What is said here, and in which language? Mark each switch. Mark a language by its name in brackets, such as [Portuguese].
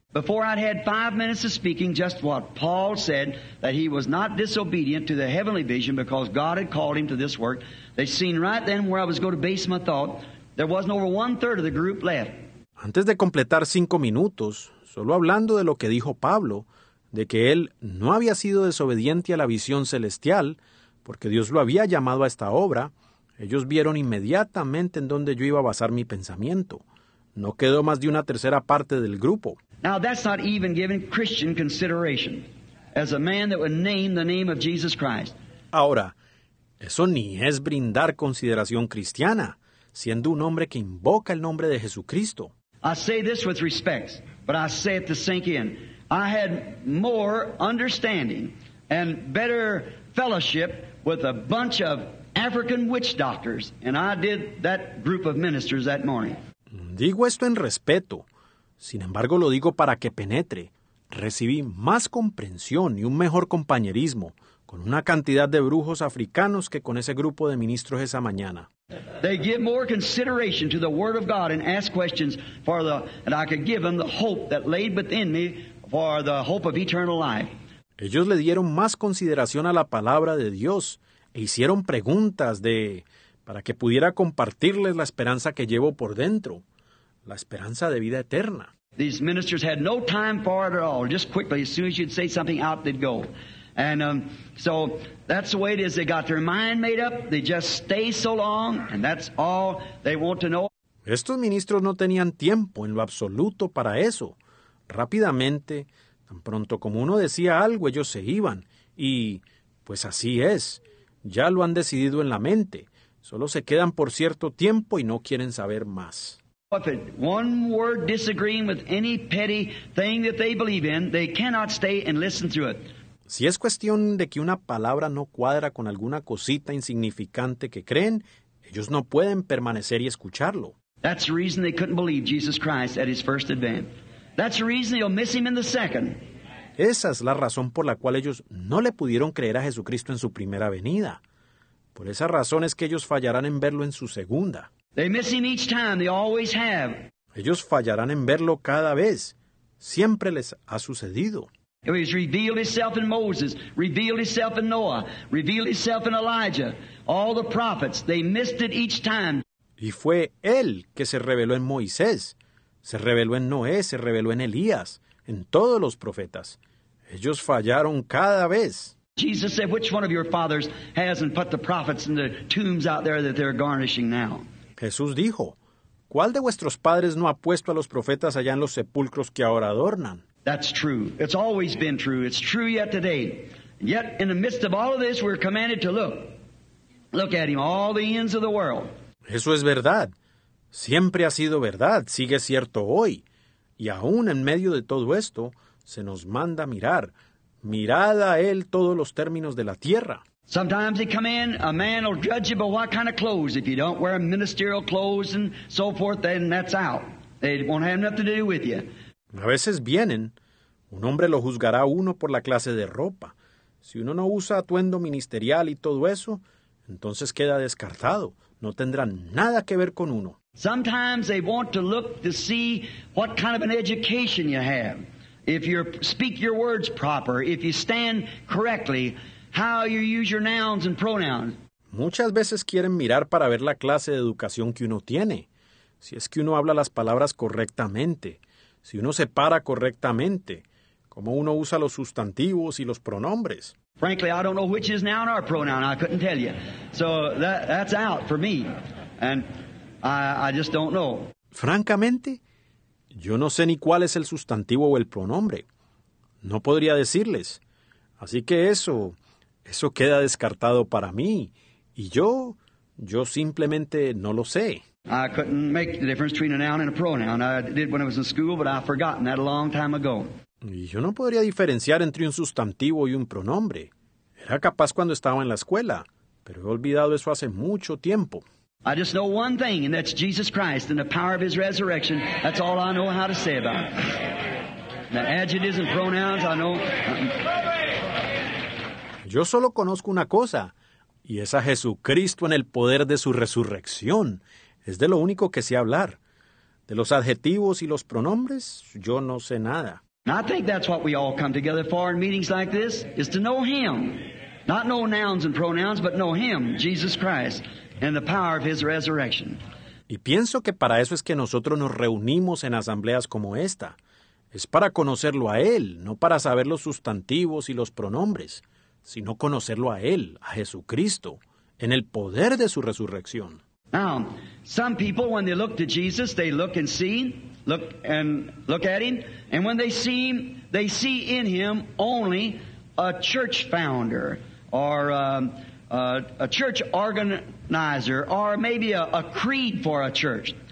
[English] Before I'd had 5 minutes of speaking, just what Paul said, that he was not disobedient to the heavenly vision because God had called him to this work, they seen right then where I was going to base my thought. There wasn't over one third of the group left. [Spanish] Antes de completar 5 minutos, solo hablando de lo que dijo Pablo, de que él no había sido desobediente a la visión celestial, porque Dios lo había llamado a esta obra, ellos vieron inmediatamente en dónde yo iba a basar mi pensamiento. No quedó más de una tercera parte del grupo. [English] Now that's not even given Christian consideration, as a man that would name the name of Jesus Christ. [Spanish] Ahora, eso ni es brindar consideración cristiana, siendo un hombre que invoca el nombre de Jesucristo. [English] I say this with respect, but I say it to sink in. I had more understanding and better fellowship with a bunch of African witch doctors, and I did that group of ministers that morning. [Spanish] Digo esto en respeto. Sin embargo, lo digo para que penetre. Recibí más comprensión y un mejor compañerismo con una cantidad de brujos africanos que con ese grupo de ministros esa mañana. [English] They give more consideration to the word of God and ask questions for the and I could give them the hope that laid within me for the hope of eternal life. [Spanish] Ellos le dieron más consideración a la palabra de Dios e hicieron preguntas de para que pudiera compartirles la esperanza que llevo por dentro, la esperanza de vida eterna. [English] These ministers had no time for it at all. Just quickly, as soon as you'd say something, out they'd go. And so that's the way it is. They got their mind made up. They just stay so long, and that's all they want to know. [Spanish] Estos ministros no tenían tiempo en lo absoluto para eso. Rápidamente, tan pronto como uno decía algo, ellos se iban. Y, pues así es. Ya lo han decidido en la mente. Solo se quedan por cierto tiempo y no quieren saber más. [English] If one word disagreeing with any petty thing that they believe in, they cannot stay and listen to it. [Spanish] Si es cuestión de que una palabra no cuadra con alguna cosita insignificante que creen, ellos no pueden permanecer y escucharlo. [English] That's the reason they couldn't believe Jesus Christ at his first advent. That's the reason they'll miss him in the second. [Spanish] Esa es la razón por la cual ellos no le pudieron creer a Jesucristo en su primera venida. Por esa razón es que ellos fallarán en verlo en su segunda. [English] They miss him each time. They always have. [Spanish] Ellos fallarán en verlo cada vez. Siempre les ha sucedido. [English] He's revealed himself in Moses, revealed himself in Noah, revealed himself in Elijah, all the prophets. They missed it each time. [Spanish] Y fue él que se reveló en Moisés, se reveló en Noé, se reveló en Elías, en todos los profetas. Ellos fallaron cada vez. [English] Jesus said, "Which one of your fathers hasn't put the prophets in the tombs out there that they're garnishing now?" [Spanish] Jesús dijo, ¿cuál de vuestros padres no ha puesto a los profetas allá en los sepulcros que ahora adornan? [English] That's true. It's always been true. It's true yet today. Yet, in the midst of all of this, we're commanded to look. Look at him, all the ends of the world. [Spanish] Eso es verdad. Siempre ha sido verdad. Sigue cierto hoy. Y aún en medio de todo esto, se nos manda mirar. Mirad a él todos los términos de la tierra. [English] Sometimes he come in, a man will judge you by what kind of clothes. If you don't wear ministerial clothes and so forth, then that's out. They won't have nothing to do with you. [Spanish] A veces vienen, un hombre lo juzgará a uno por la clase de ropa. Si uno no usa atuendo ministerial y todo eso, entonces queda descartado. No tendrá nada que ver con uno. [English] Sometimes they want to look to see what kind of an education you have. If you speak your words proper, if you stand correctly, how you use your nouns and pronouns. [Spanish] Muchas veces quieren mirar para ver la clase de educación que uno tiene. Si es que uno habla las palabras correctamente. Si uno se para correctamente. Cómo uno usa los sustantivos y los pronombres. [English] Frankly, I don't know which is noun or pronoun. I couldn't tell you. So that's out for me. And I just don't know. [Spanish] Francamente, yo no sé ni cuál es el sustantivo o el pronombre. No podría decirles. Así que eso queda descartado para mí. Y yo simplemente no lo sé. [English] I couldn't make the difference between a noun and a pronoun. I did when I was in school, but I've forgotten that a long time ago. [Spanish] Y yo no podría diferenciar entre un sustantivo y un pronombre. Era capaz cuando estaba en la escuela, pero he olvidado eso hace mucho tiempo. [English] I just know one thing, and that's Jesus Christ and the power of his resurrection. That's all I know how to say about it. The adjectives and pronouns, I know. [Spanish] Yo solo conozco una cosa, y es a Jesucristo en el poder de su resurrección. Es de lo único que sé hablar. De los adjetivos y los pronombres, yo no sé nada. [English] I think that's what we all come together for in meetings like this, is to know him. Not know nouns and pronouns, but know him, Jesus Christ, and the power of his resurrection. [Spanish] Y pienso que para eso es que nosotros nos reunimos en asambleas como esta. Es para conocerlo a él, no para saber los sustantivos y los pronombres, sino conocerlo a él, a Jesucristo, en el poder de su resurrección. [English] Now, some people, when they look to Jesus, they look and see, look at him, and when they see him, they see in him only a church founder, or a church organizer, or maybe a creed for a church.